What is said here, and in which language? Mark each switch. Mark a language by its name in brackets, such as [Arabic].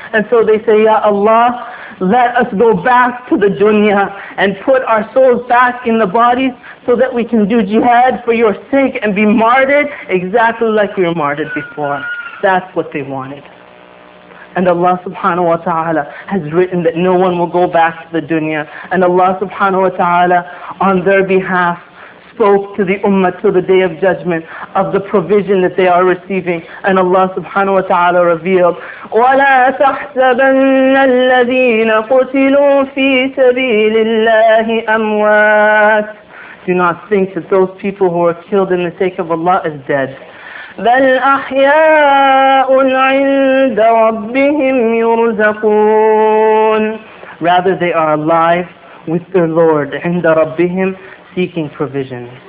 [English] And so they say, Ya Allah, let us go back to the dunya and put our souls back in the bodies so that we can do jihad for your sake and be martyred exactly like we were martyred before. That's what they wanted. And Allah subhanahu wa ta'ala has written that no one will go back to the dunya. And Allah subhanahu wa ta'ala on their behalf spoke to the ummah till the day of judgment of the provision that they are receiving. And Allah subhanahu wa ta'ala revealed, [Arabic] وَلَا تَحْسَبَنَّ الَّذِينَ قُتِلُوا فِي سَبِيلِ اللَّهِ أَمْوَاتٍ. [English] Do not think that those people who are killed in the sake of Allah is dead. [Arabic] بَلْ أَحْيَاءٌ عِنْدَ رَبِّهِمْ يُرْزَقُونَ. [English] Rather they are alive with their Lord, [Arabic] عِنْدَ رَبِّهِمْ, [English] seeking provision.